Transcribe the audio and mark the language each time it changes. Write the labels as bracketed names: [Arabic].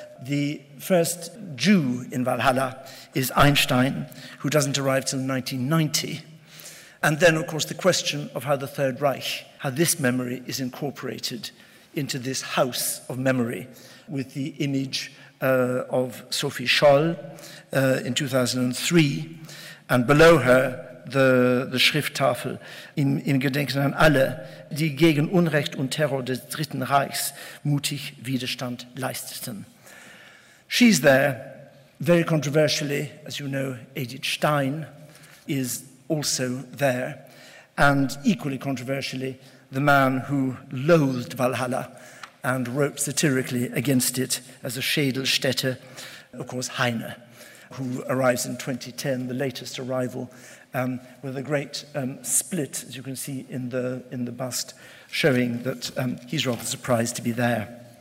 [English] The first Jew in Walhalla is Einstein, who doesn't arrive till 1990. And then, of course, the question of how the Third Reich, how this memory is incorporated into this house of memory with the image of Sophie Scholl in 2003 And below her, the [German] Schrifttafel im Gedenken an alle, die gegen Unrecht und Terror des Dritten Reichs mutig Widerstand leisteten. [English] She's there, very controversially, as you know, Edith Stein is also there, and equally controversially, the man who loathed Valhalla and wrote satirically against it as a Schädelstätte, of course, Heine, who arrives in 2010, the latest arrival, with a great split, as you can see in the bust, showing that he's rather surprised to be there.